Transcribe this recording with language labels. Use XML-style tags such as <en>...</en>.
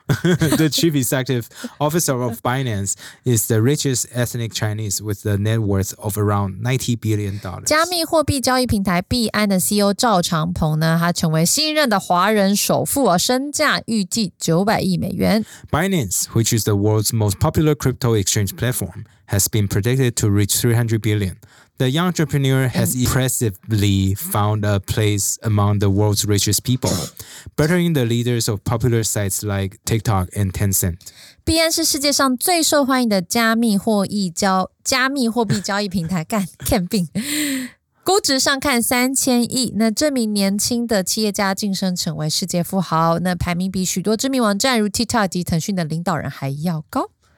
<en>The chief executive officer of Binance is the richest ethnic Chinese with the net worth of around $90 billion.</en> <zh>加密货币交易平台币安的 CEO 赵长鹏呢，他成为新任的华人首富，身价预计$900亿。</zh> <en>Binance, which is the world's most popular crypto exchange platform, has been predicted to reach $300 billion. The young entrepreneur has impressively found a place among the world's richest people, bettering the leaders of popular sites like. TikTok and Tencent.</en> <zh>币安是世界上最受欢迎的加密货币交易平台。干看病。估值上看3000亿。那这名年轻的企业家晋升成为世界富豪，那排名比许多知名网站如 TikTok 及腾讯的领导人还要高。</zh>